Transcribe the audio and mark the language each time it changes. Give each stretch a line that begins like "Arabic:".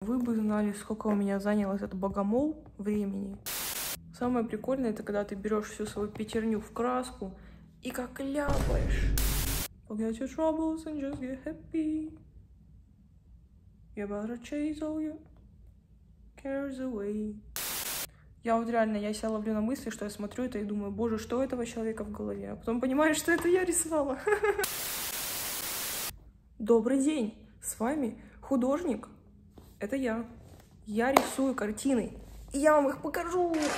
Russian: Вы бы знали, сколько у меня занял этот богомол времени. Самое прикольное, это когда ты берешь всю свою пятерню в краску и как ляпаешь.
English: Forget your troubles and just get happy. You better chase all your cares away.
Russian: Я вот реально, я себя ловлю на мысли, что я смотрю это и думаю, боже, что у этого человека в голове? А потом понимаешь, что это я рисовала. Добрый день, с вами художник. Это я. Я рисую картины. И я вам их покажу.